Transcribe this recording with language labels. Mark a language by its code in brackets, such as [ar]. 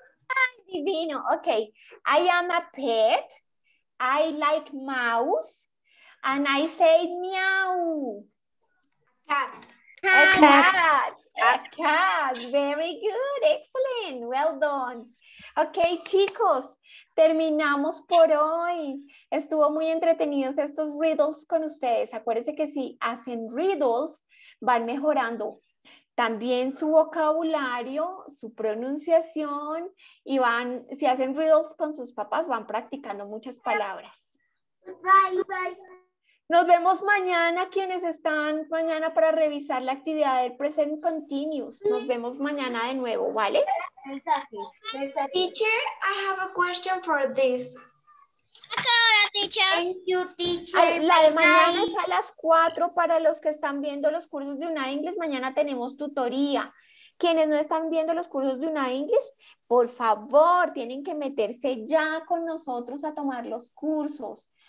[es] Ay, divino. [en] Okay. I am a pet. I like mouse. And I say meow. Cat. A cat, very good, excellent, well done. [es] Ok, chicos, terminamos por hoy. Estuvo muy entretenidos estos riddles con ustedes. Acuérdense que si hacen riddles, van mejorando también su vocabulario, su pronunciación, y van, si hacen riddles con sus papás, van practicando muchas palabras. [en] Bye, bye. [es] Nos vemos mañana, quienes están mañana, para revisar la actividad del present continuous. Nos vemos mañana de nuevo, ¿vale? [en] Teacher, I have a question for this. [es] Acabará, teacher. [en] Thank you, teacher. [es] La de mañana es a las 4 para los que están viendo los cursos de UNAD English. Mañana tenemos tutoría. Quienes no están viendo los cursos de UNAD English, por favor, tienen que meterse ya con nosotros a tomar los cursos.